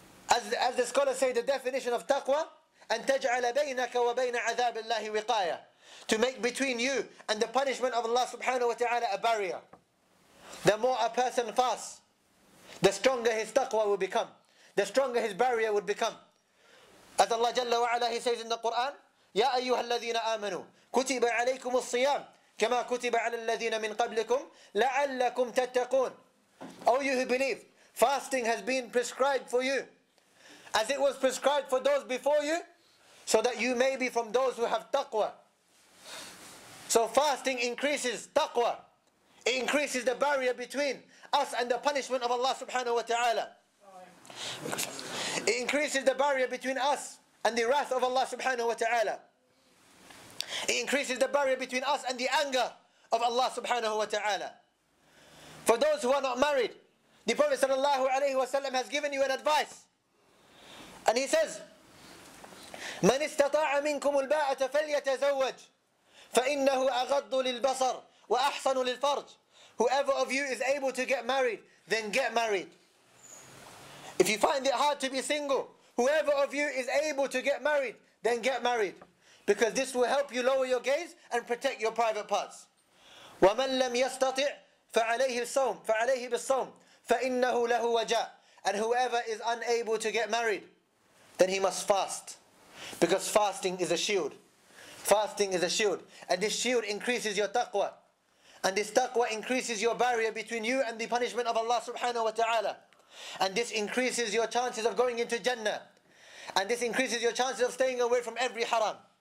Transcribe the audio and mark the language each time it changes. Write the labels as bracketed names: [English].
[English] As the scholars say, the definition of taqwa, [Arabic] أن تجعل بينك وبين عذاب الله وقاية, [English] to make between you and the punishment of Allah subhanahu wa ta'ala a barrier. The more a person fasts, the stronger his taqwa will become, the stronger his barrier would become. As Allah Jalla wa Ala, he says in the Quran, [Arabic] يا أيها الذين آمنوا كتب عليكم الصيام كما كتب على الذين من قبلكم لعلكم تتقون. [English] Oh you who believe, fasting has been prescribed for you as it was prescribed for those before you, so that you may be from those who have taqwa. So fasting increases taqwa. It increases the barrier between us and the punishment of Allah subhanahu wa ta'ala. It increases the barrier between us and the wrath of Allah subhanahu wa ta'ala. It increases the barrier between us and the anger of Allah subhanahu wa ta'ala. For those who are not married, the Prophet sallallahu alayhi wa sallam has given you an advice. And he says, [Arabic] من استطاع منكم الباءة فليتزوج فإنه أغض للبصر وأحسن للفرج. [English] Whoever of you is able to get married, then get married. If you find it hard to be single, whoever of you is able to get married, then get married. Because this will help you lower your gaze and protect your private parts. [Arabic] ومن لم يستطع فعليه الصوم فعليه بالصوم فإنه له وجاء. [English] And whoever is unable to get married, then he must fast. Because fasting is a shield. Fasting is a shield. And this shield increases your taqwa. And this taqwa increases your barrier between you and the punishment of Allah subhanahu wa ta'ala. And this increases your chances of going into Jannah. And this increases your chances of staying away from every haram.